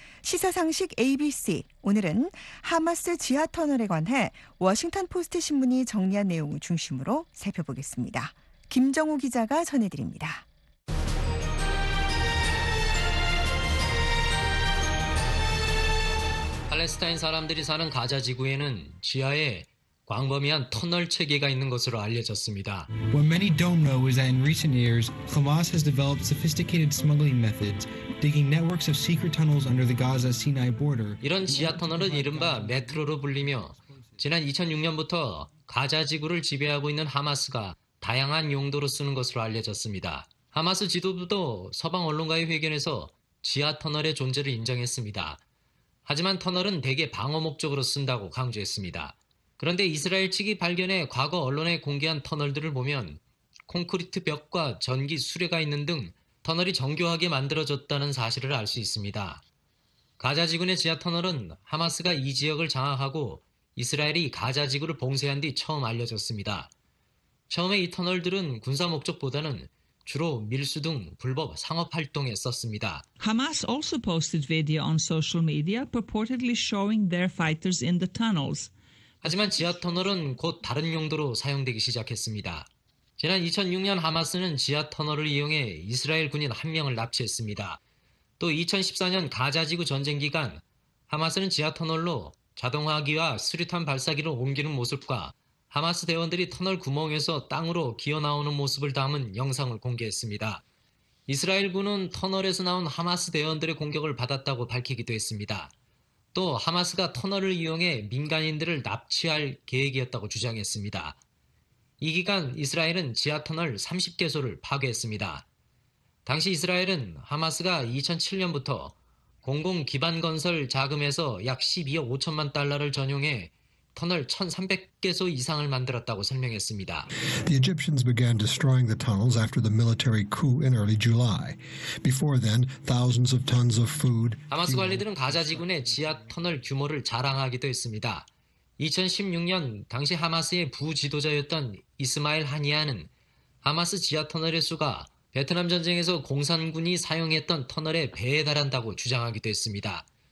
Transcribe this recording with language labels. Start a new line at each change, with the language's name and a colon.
Korean: 시사상식 ABC. 오늘은 하마스 지하 터널에 관해 워싱턴 포스트 신문이 정리한 내용을 중심으로 살펴보겠습니다. 김정우 기자가 전해드립니다. 팔레스타인 사람들이 사는 가자 지구에는 지하에 광범위한 터널 체계가 있는 것으로 알려졌습니다.
English: What many don't know is that in recent years, Hamas has developed sophisticated smuggling methods, digging networks of secret tunnels under the Gaza Sinai border.
Korean: 이런 지하 터널은 이른바 메트로로 불리며, 지난 2006년부터 가자 지구를 지배하고 있는 하마스가 다양한 용도로 쓰는 것으로 알려졌습니다. 하마스 지도부도 서방 언론과의 회견에서 지하 터널의 존재를 인정했습니다. 하지만 터널은 대개 방어 목적으로 쓴다고 강조했습니다. 그런데 이스라엘 측이 발견해 과거 언론에 공개한 터널들을 보면 콘크리트 벽과 전기 수레가 있는 등 터널이 정교하게 만들어졌다는 사실을 알수 있습니다. 가자지구의 지하 터널은 하마스가 이 지역을 장악하고 이스라엘이 가자지구를 봉쇄한 뒤 처음 알려졌습니다. 처음에 이 터널들은 군사 목적보다는 주로 밀수 등 불법 상업 활동에 썼습니다.
English: Hamas also posted video on social media purportedly showing their fighters in the tunnels.
Korean: 하지만 지하 터널은 곧 다른 용도로 사용되기 시작했습니다. 지난 2006년 하마스는 지하 터널을 이용해 이스라엘 군인 한 명을 납치했습니다. 또 2014년 가자지구 전쟁 기간 하마스는 지하 터널로 자동화기와 수류탄 발사기를 옮기는 모습과 하마스 대원들이 터널 구멍에서 땅으로 기어나오는 모습을 담은 영상을 공개했습니다. 이스라엘군은 터널에서 나온 하마스 대원들의 공격을 받았다고 밝히기도 했습니다. 또 하마스가 터널을 이용해 민간인들을 납치할 계획이었다고 주장했습니다. 이 기간 이스라엘은 지하 터널 30개소를 파괴했습니다. 당시 이스라엘은 하마스가 2007년부터 공공 기반 건설 자금에서 약 12억 5천만 달러를 전용해 터널 1,300개소 이상을 만들었다고 설명했습니다.
English: The Egyptians began destroying the tunnels after the military coup in early July. Before then, thousands of tons of food,
Korean: 하마스
English: fuel,
Korean: 관리들은 가자지구의 지하 터널 규모를 자랑하기도 했습니다. 2016년 당시 하마스의 부지도자였던 이스마일 하니야는 하마스 지하 터널의 수가 베트남 전쟁에서 공산군이 사용했던 터널에 배에 달한다고 주장하기도 했습니다.